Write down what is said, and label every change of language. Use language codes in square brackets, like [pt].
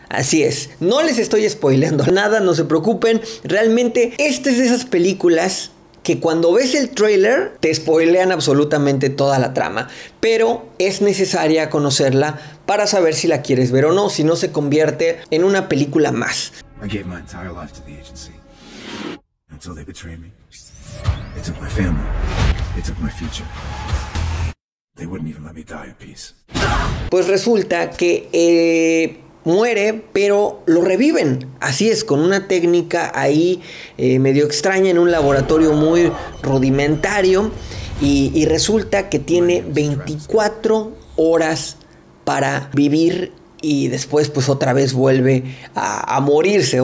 [es] Así es, no les estoy spoileando nada, no se preocupen. Realmente, esta es de esas películas que cuando ves el trailer te spoilean absolutamente toda la trama, pero es necesaria conocerla para saber si la quieres ver o no, si no se convierte en una película más. [en] I gave my entire life to the agency until they betrayed me. They took my family. They took my future. They wouldn't even let me die in peace. [es] Pues resulta que muere, pero lo reviven. Así es, con una técnica ahí medio extraña en un laboratorio muy rudimentario. Y resulta que tiene 24 horas para vivir. Y después, pues otra vez vuelve a morirse.